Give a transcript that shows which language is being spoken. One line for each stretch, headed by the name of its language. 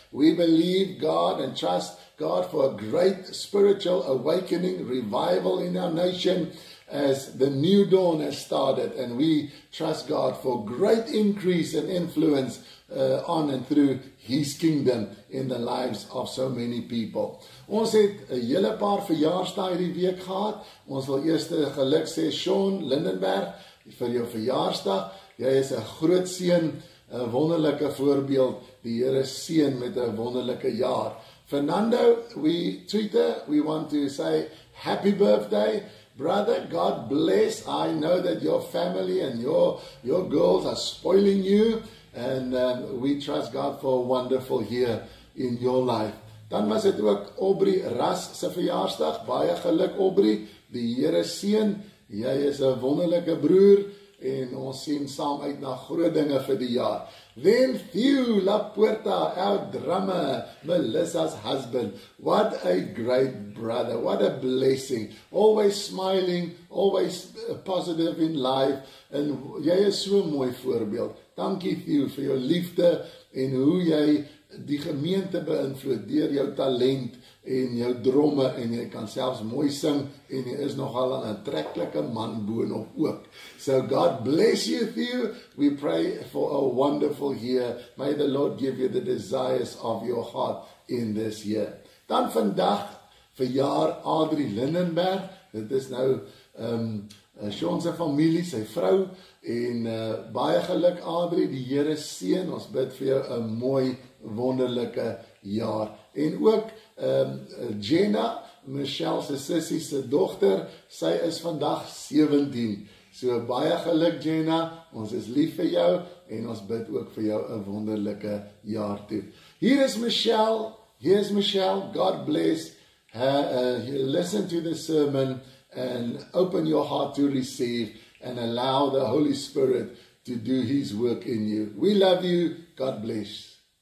English: We believe God and trust God for a great spiritual awakening, revival in our nation as the new dawn has started. And we trust God for great increase and influence on and through His kingdom in the lives of so many people.
Afrikaans: Ons het 'n hele paar verjaarsdae hierdie week gehad. Ons wil eerste geluk sê Sean Lindenberg vir jou verjaarsdag. Jy is 'n groot seun. 'n Wonderlike voorbeeld, die Here seën met 'n wonderlike jaar.
English: Fernando, we want to say happy birthday. Brother, God bless. I know that your family and your girls are spoiling you. And we trust God for a wonderful year in your life.
Afrikaans: Dan was het ook Aubrey Ras se verjaarsdag. Baie geluk, Aubrey. Die Here seën. Jy is 'n wonderlike broer. En ons sien saam uit na groot dinge vir die jaar.
English: Then Theo La Puerta, our drummer, Melissa's husband. What a great brother. What a blessing. Always smiling, always positive in life.
Afrikaans: En jy is so 'n mooi voorbeeld. Dankie Theo vir jou liefde en hoe jy die gemeente beïnvloed deur jou talent en jou dromme en jy kan selfs mooi sing en jy is nogal 'n aantreklike man boonop ook.
English: So God bless you with you. We pray for a wonderful year. May the Lord give you the desires of your heart in this year.
Afrikaans: Dan vandag verjaar Adri Lindenberg. Dit is nou Sean se familie, sy vrou en baie geluk Adri, die Here seën. Ons bid vir jou 'n mooi wonderlike jaar. En ook Jenna, Michelle se sissie se dogter, sy is vandag 17. So baie geluk Jenna, ons is lief vir jou en ons bid ook vir jou 'n wonderlike jaar toe. Hier is Michelle,
English: God bless. Listen to the sermon and open your heart to receive and allow the Holy Spirit to do His work in you. We love you. God bless.